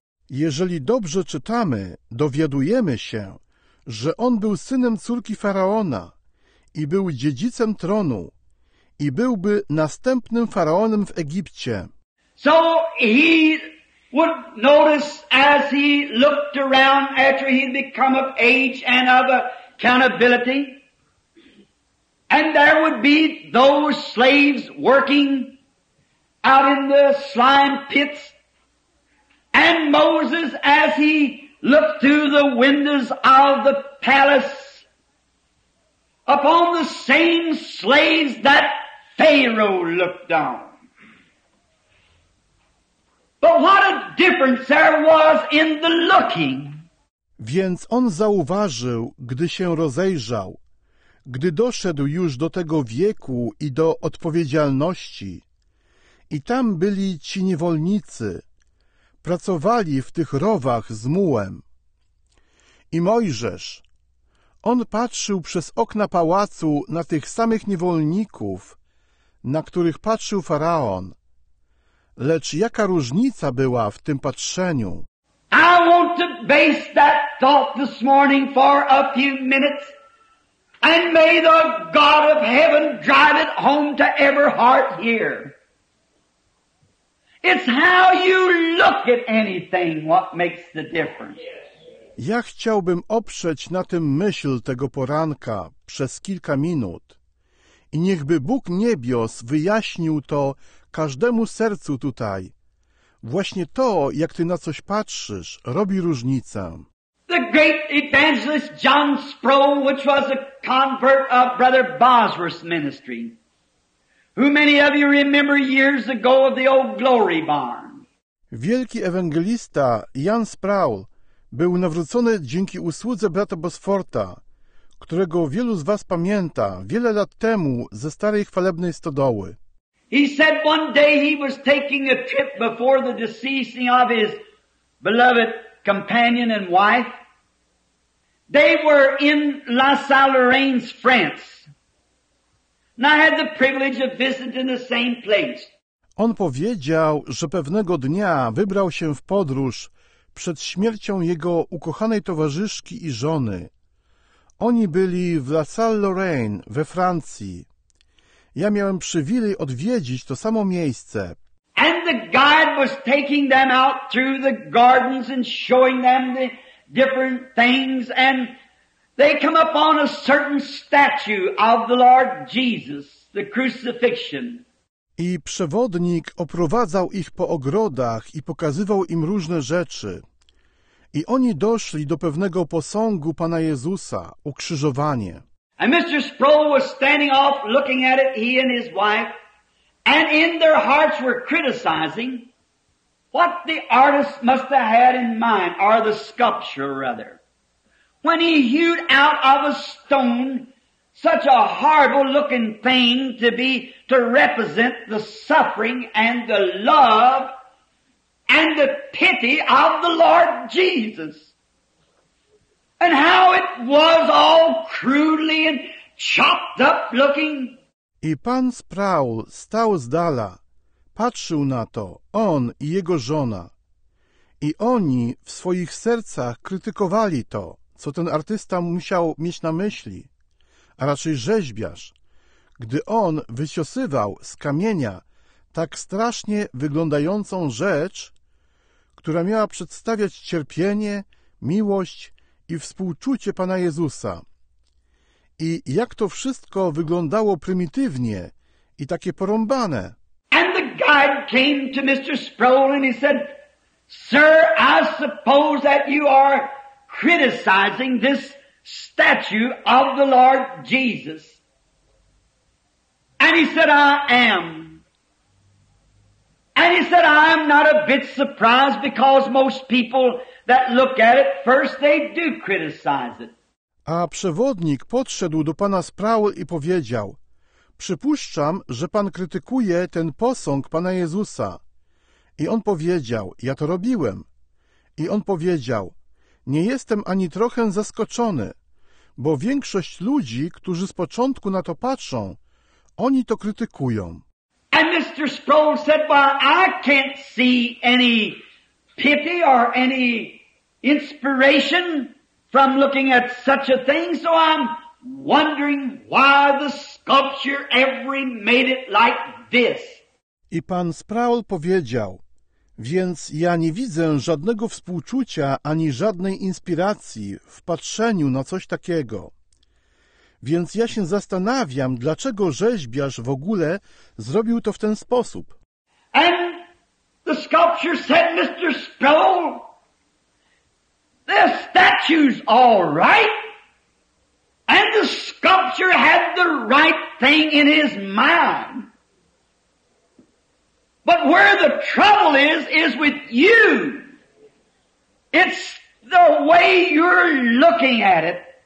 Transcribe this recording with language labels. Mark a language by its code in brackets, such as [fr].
[pl] Jeżeli dobrze czytamy, dowiadujemy się, że on był synem córki Faraona i był dziedzicem tronu i byłby następnym faraonem w Egipcie. [en] So he would notice as he looked around after he'd become of age and of accountability, and there would be those slaves working out in the slime pits, and Moses, as he looked through the windows of the palace upon the same slaves that Pharaoh looked on. But what a difference there was in the looking. [pl] Więc on zauważył, gdy się rozejrzał, gdy doszedł już do tego wieku i do odpowiedzialności. I tam byli ci niewolnicy, pracowali w tych rowach z mułem. I Mojżesz, on patrzył przez okna pałacu na tych samych niewolników, na których patrzył Faraon. Lecz jaka różnica była w tym patrzeniu? [en] I want to base that thought this morning for a few minutes, and may the God of heaven drive it home to every heart here. It's how you look at anything what makes the difference. [pl] Ja chciałbym oprzeć na tym myśl tego poranka przez kilka minut. I niechby Bóg niebios wyjaśnił to każdemu sercu tutaj. Właśnie to, jak ty na coś patrzysz, robi różnicę. [en] The great evangelist John Sproul, which was a convert of Brother Bosworth's ministry, who many of you remember years ago of the old Glory Barn. [pl] Wielki ewangelista Jan Sproul był nawrócony dzięki usłudze brata Bosfortha, którego wielu z was pamięta wiele lat temu ze starej chwalebnej stodoły. [en] He said one day he was taking a trip before the deceasing of his beloved companion and wife. They were in La Salerains, France. And I had the privilege of visiting the same place. [pl] On powiedział, że pewnego dnia wybrał się w podróż przed śmiercią jego ukochanej towarzyszki i żony. Oni byli w La Salerains we Francji. Ja miałem przywilej odwiedzić to samo miejsce. [en] And the guide was taking them out through the gardens and showing them the different things, and they come upon a certain statue of the Lord Jesus, the crucifixion. [pl] I przewodnik oprowadzał ich po ogrodach i pokazywał im różne rzeczy. I oni doszli do pewnego posągu Pana Jezusa, ukrzyżowanie. [en] And Mr. Sproul was standing off looking at it, he and his wife, and in their hearts were criticizing what the artist must have had in mind, or the sculpture rather, when he hewed out of a stone such a horrible looking thing to represent the suffering and the love and the pity of the Lord Jesus. And how it was all crudely and chopped up looking. [pl] I pan Sproul stał z dala, patrzył na to, on i jego żona. I oni w swoich sercach krytykowali to, co ten artysta musiał mieć na myśli, a raczej rzeźbiarz, gdy on wyciosywał z kamienia tak strasznie wyglądającą rzecz, która miała przedstawiać cierpienie, miłość i współczucie Pana Jezusa. I jak to wszystko wyglądało prymitywnie i takie porąbane. [en] And the guide came to Mr. Sproul and he said, "Sir, I suppose that you are criticizing this statue of the Lord Jesus." And he said, "I am." And he said, "I'm not a bit surprised, because most people that look at it first, they do criticize it." [pl] A przewodnik podszedł do pana Sproul i powiedział: "Przypuszczam, że pan krytykuje ten posąg Pana Jezusa." I on powiedział: "Ja to robiłem." I on powiedział: "Nie jestem ani trochę zaskoczony, bo większość ludzi, którzy z początku na to patrzą, oni to krytykują." [en] And Mr. Sproul said, "Well, I can't see any pity or any inspiration from looking at such a thing, so I'm wondering why the sculpture ever made it like this." [pl] I pan Sproul powiedział: "Więc ja nie widzę żadnego współczucia ani żadnej inspiracji w patrzeniu na coś takiego. Więc ja się zastanawiam, dlaczego rzeźbiarz w ogóle zrobił to w ten sposób." [en] And the sculpture said, "Mr. Sproul, the statue's all right, and the sculpture had the right thing in his mind. But where the trouble is with you. It's the way you're looking at it."